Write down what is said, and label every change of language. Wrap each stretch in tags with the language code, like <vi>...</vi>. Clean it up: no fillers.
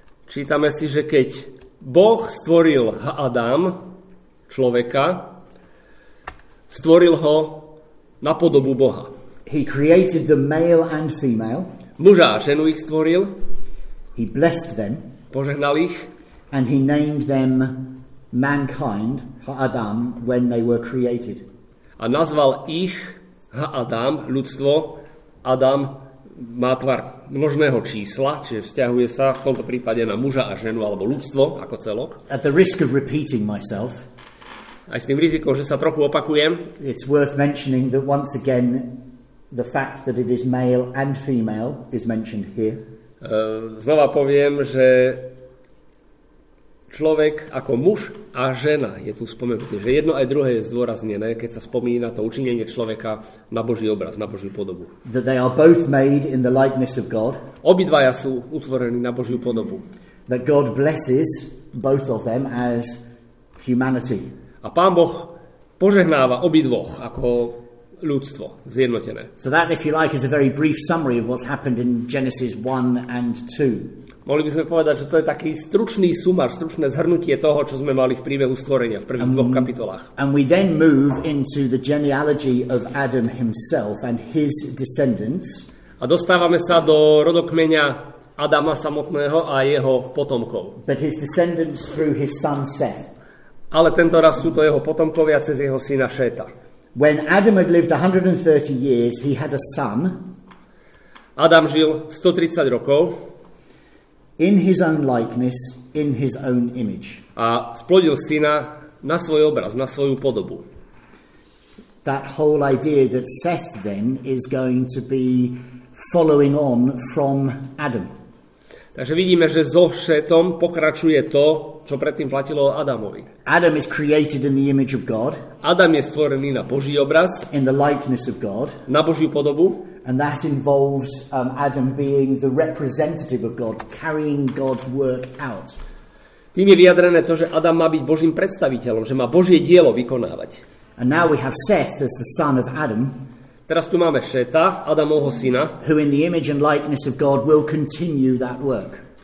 <sk>Čítame si, že keď Boh stvoril Adam, človeka, stvoril ho na podobu Boha.</sk> <en>He created the male and female.</en> <sk>Muža a ženu ich stvoril.</sk> <en>He blessed them.</en> <sk>Požehnal ich.</sk> <en>And he named them mankind, Adam, when they were created.</en> <sk>A nazval ich Adam, ľudstvo, Adam, má tvar množného čísla, čiže vzťahuje sa v tomto prípade na muža a ženu alebo ľudstvo ako celok.</sk> <en>At the risk of repeating myself,</en> <sk>aj s tým rizikom, že sa trochu opakujem,</sk> <en>it's worth mentioning that once again the fact that it is male and female is mentioned here.</en> <sk>Znova poviem, že človek ako muž a žena je tu spomenutý, že jedno aj druhé je zdôraznené, keď sa spomína to učinenie človeka na Boží obraz, na Božiu podobu.</sk> <en>That they are both made in the likeness of God.</en> <sk>Obidvaja sú utvorení na Božiu podobu.</sk> <en>That God blesses both of them as humanity.</en> <sk>A Pán Boh požehnáva obidvoch ako ľudstvo zjednotené.</sk> <en>So that, if you like, is a very brief summary of what's happened in Genesis 1 and 2.</en> <sk>Mohli by sme povedať, že to je taký stručný sumár, stručné zhrnutie toho, čo sme mali v príbehu stvorenia v prvých dvoch kapitolách.</sk> <en>And we then move into the genealogy of Adam himself and his descendants.</en> <sk>A dostávame sa do rodokmeňa Adama samotného a jeho potomkov.</sk> <en>But his descendants through his son Seth.</en> <sk>Ale tento raz sú to jeho potomkovia cez jeho syna Šéta.</sk> <en>When Adam had lived 130 years, he had a son.</en> <sk>Adam žil 130 rokov.</sk> <en>In his own likeness, in his own image.</en> <sk>A splodil syna na svoj obraz, na svoju podobu.</sk> <en>That whole idea that Seth then is going to be following on from Adam.</en> <sk>Takže vidíme, že zo Šetom pokračuje to, čo predtým platilo Adamovi.</sk> <en>Adam is created in the image of God.</en> <sk>Adam je stvorený na Boží obraz.</sk> <en>In the likeness of God.</en> <sk>Na Božiu podobu.</sk> <en>And that involves Adam being the representative of God, carrying God's work out.</en> <sk>Tým je vyjadrené to, že Adam má byť Božím predstaviteľom, že má Božie dielo vykonávať.</sk> <en>And now we have Seth as the son of Adam.</en> <sk>Teraz tu máme Šeta, Adamovho syna,</sk> <en>who in the image and likeness of God will continue that work.</en>